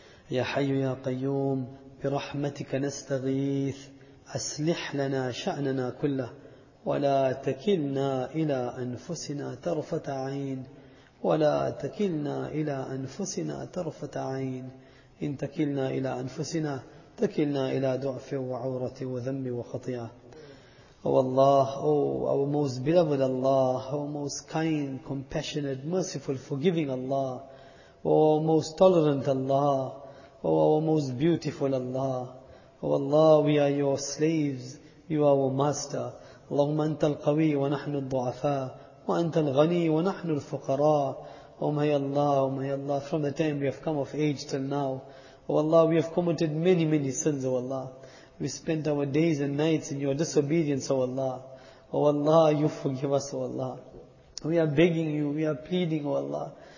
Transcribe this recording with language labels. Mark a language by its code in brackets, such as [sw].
[ar] يا حي يا قيوم برحمتك نستغيث، أصلح لنا شأننا كله، ولا تكلنا إلى أنفسنا طرفة عين، ولا تكلنا إلى أنفسنا طرفة عين، إن تكلنا إلى أنفسنا تكلنا إلى ضعف وعورة وذنب وخطيئة. والله أو [en] most beloved Allah, أو most kind, compassionate, merciful, forgiving Allah, أو most tolerant Allah, أو most beautiful Allah. O Allah, we are your slaves, you are our master. [ar] اللهم أنت القوي ونحن الضعفاء وأنت الغني ونحن الفقراء. [en] Oh my Allah, from the time we have come of age till now, oh Allah, we have committed many, many sins, oh Allah. We spent our days and nights in your disobedience, oh Allah. Oh Allah, you forgive us, oh Allah. We are begging you, we are pleading, oh Allah.